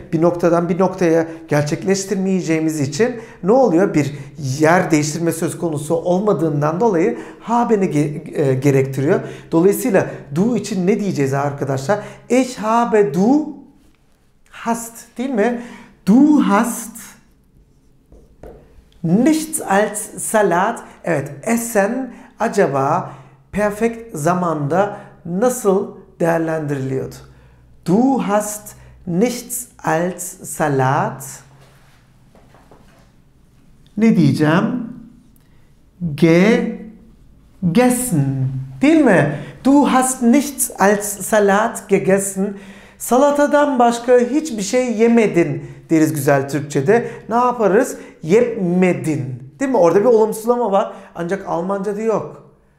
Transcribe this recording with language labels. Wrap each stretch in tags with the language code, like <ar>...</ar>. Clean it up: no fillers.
<tr>Bir noktadan bir noktaya gerçekleştirmeyeceğimiz için ne oluyor? Bir yer değiştirme söz konusu olmadığından dolayı haben'i gerektiriyor. Dolayısıyla du için ne diyeceğiz arkadaşlar?</tr> <de>Ich habe du hast</de> <tr>değil mi?</tr> <de>Du hast nichts als Salat.</de> <tr>Evet, essen acaba perfekt zamanda nasıl değerlendiriliyordu?</tr> <de>Du hast nichts als Salat.</de> <tr>Ne diyeceğim? Gegessen. Değil mi?</tr> <de>Du hast nichts als Salat gegessen.</de> <tr>Salatadan başka hiçbir şey yemedin deriz güzel Türkçe'de. Ne yaparız? Yemedin. Değil mi? Orada bir olumsuzlama var. Ancak Almanca'da yok.</tr>